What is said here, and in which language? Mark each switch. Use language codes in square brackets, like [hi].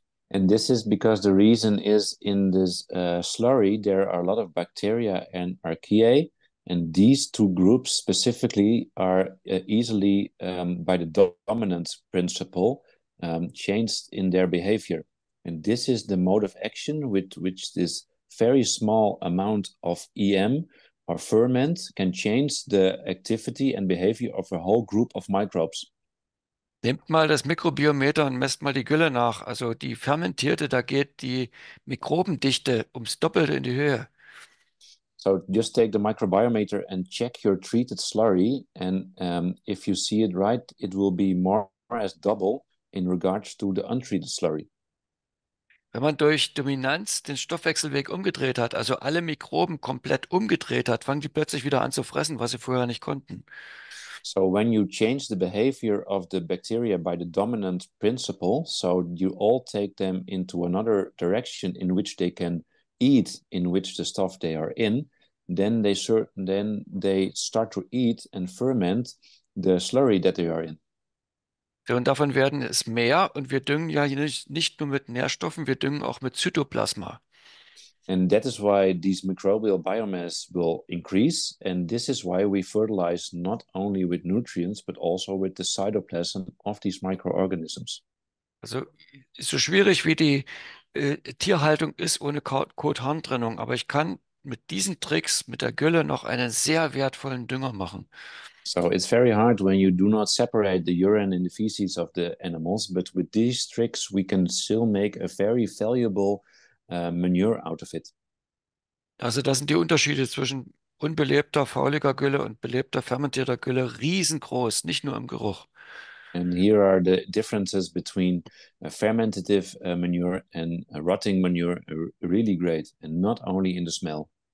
[en] And this is because the reason is in this slurry there are a lot of bacteria and archaea, and these two groups specifically are easily by the dominance principle changed in their behavior. And this is the mode of action with which this very small amount of EM or ferment can change the activity and behavior of a whole group of microbes. [de] Nehmt mal das Mikrobiometer und messt mal die Gülle nach. Also die fermentierte, da geht die Mikrobendichte ums Doppelte in die Höhe. [en] So just take the microbiometer and check your treated slurry and if you see it right, it will be more or less double in regards to the untreated slurry. [de] Wenn man durch Dominanz den Stoffwechselweg umgedreht hat, also alle Mikroben komplett umgedreht hat, fangen die plötzlich wieder an zu fressen, was sie vorher nicht konnten. [en] So when you change the behavior of the bacteria by the dominant principle, so you all take them into another direction in which they can eat, in which the stuff they are in, then they start to eat and ferment the slurry that they are in. [de] Und davon werden es mehr und wir düngen ja nicht nur mit Nährstoffen, wir düngen auch mit Zytoplasma. [en] And that is why these microbial biomass will increase and this is why we fertilize not only with nutrients but also with the cytoplasm of these microorganisms. [de] Also so schwierig wie die Tierhaltung ist ohne Kot-Harn-Trennung, aber ich kann mit diesen Tricks, mit der Gülle noch einen sehr wertvollen Dünger machen. [en] So it's very hard when you do not separate the urine and the feces of the animals, but with these tricks we can still make a very valuable manure out of it. [de] Also da sind die Unterschiede zwischen unbelebter, fauliger Gülle und belebter, fermentierter Gülle riesengroß, nicht nur im Geruch. [en] And here are the differences between a fermentative manure and a rotting manure, really great, and not only in the smell.